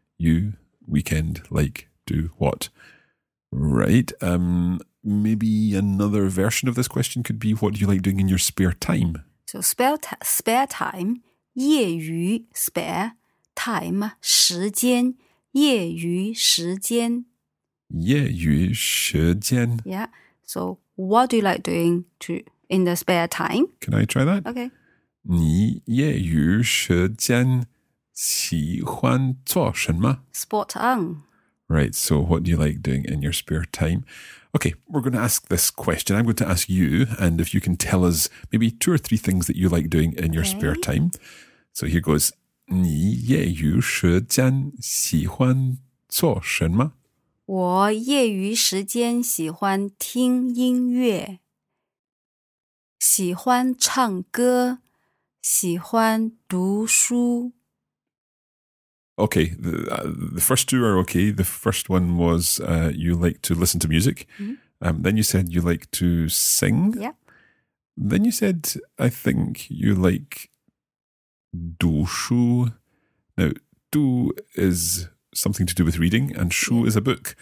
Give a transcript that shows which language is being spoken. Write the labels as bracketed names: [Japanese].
[English] You weekend like do what? Right. Maybe another version of this question could be what do you like doing in your spare time? So spare time, 业余, spare, [Chinese] time, 时间,业余时间。业余时间。 [English] Yeah, so what do you like doing to, in the spare time? Can I try that? Okay. [Chinese] 你业余时间喜欢做什么? [English] Spot on. Right, so what do you like doing in your spare time? Okay, we're going to ask this question. I'm going to ask you, and if you can tell us maybe two or three things that you like doing in your spare time. So here goes, [Chinese] 你业余时间喜欢做什么? 我业余时间喜欢听音乐,喜欢唱歌,喜欢读书。 [English] Okay, the first two are okay. The first one was you like to listen to music. Mm-hmm. Then you said you like to sing. Yeah. Then you said, I think, you like 读书. Now, 读 is something to do with reading and 书 is a book.